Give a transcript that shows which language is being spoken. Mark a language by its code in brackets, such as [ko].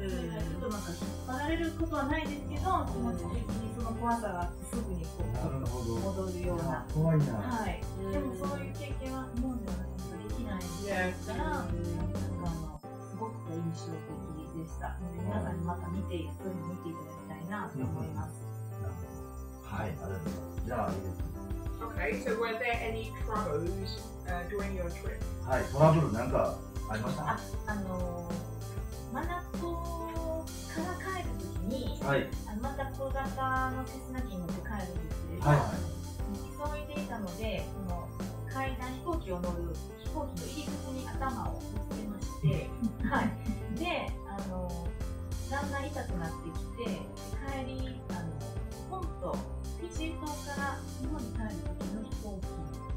[ja] ちょっとなんか引っ張られることはないですけど、気持ち的にその怖さがすぐにこう戻るような。怖いな。はい。でもそういう経験は日本ではなんかできないから、なんかあのすごく印象的でした。皆さんにまた見て、ぜひ見ていただきたいなと思います。はい、ありがとうございます。じゃあいいです。 [en] Okay, so were there any troubles during your trip? [ja] はい、トラブルなんか。ありました。マナコから帰るときに、はい、あのまた小型のセスナに乗って帰るんですけれど、はいはい、急いでいたので、この階段、飛行機を乗る飛行機の入り口に頭をぶつけまして、はい、で、だんだん痛くなってきて、帰り、あの本当フィジー島から日本に帰るときの飛行機の